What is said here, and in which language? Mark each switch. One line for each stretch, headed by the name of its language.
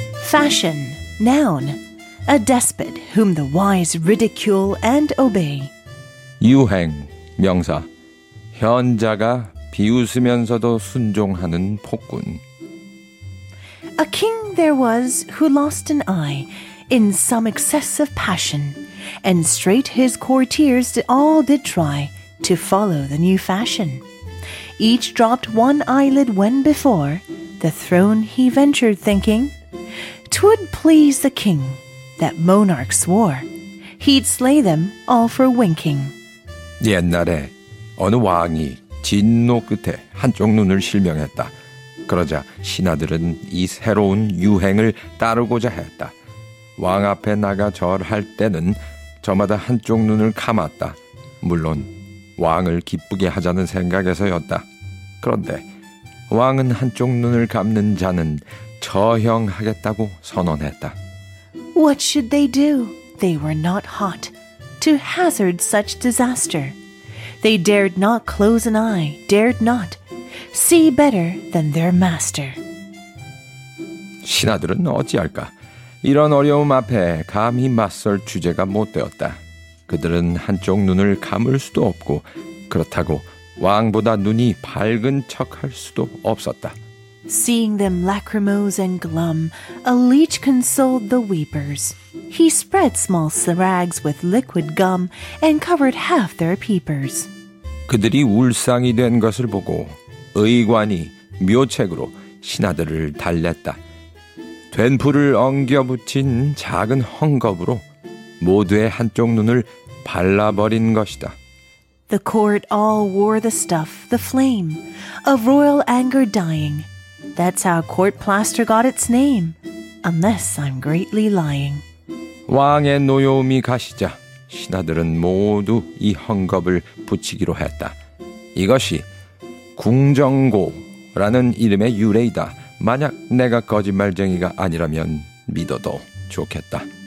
English: 패션, noun, a despot whom the wise ridicule and obey.
Korean: 유행, 명사, 현자가 비웃으면서도 순종하는 폭군.
English: A king there was who lost an eye in some excess of passion, and straight his courtiers all did try to follow the new fashion. Each dropped one eyelid when before the throne he ventured, thinking 'twould please the king that monarch swore he'd slay them all for winking.
Korean: 옛날에 어느 왕이 진노 끝에 한쪽 눈을 실명했다. 그러자 신하들은 이 새로운 유행을 따르고자 했다. 왕 앞에 나가 절할 때는 저마다 한쪽 눈을 감았다. 물론 왕을 기쁘게 하자는 생각에서였다. 그런데 왕은 한쪽 눈을 감는 자는 처형하겠다고 선언했다.
English: What should they do? They were not hot to hazard such disaster. They dared not close an eye, dared not see better than their master.
Korean: 신하들은 어찌할까? 이런 어려움 앞에 감히 맞설 주제가 못 되었다. 그들은 한쪽 눈을 감을 수도 없고 그렇다고 왕보다 눈이 밝은 척할 수도 없었다.
English: Seeing them lachrymose and glum, a leech consoled the weepers. He spread small rags with liquid gum and covered half their peepers.
Korean: 그들이 울상이 된 것을 보고 의관이 묘책으로 신하들을 달랬다. 된 풀을 엉겨 붙인 작은 헝겊으로 모두의 한쪽 눈을 발라버린 것이다.
English: The court all wore the stuff, the flame, of royal anger dying. That's how court plaster got its name, unless I'm greatly lying.
Korean: 왕의 노여움이 가시자 신하들은 모두 이 헝겊을 붙이기로 했다. 이것이 궁정고라는 이름의 유래이다. 만약 내가 거짓말쟁이가 아니라면 믿어도 좋겠다.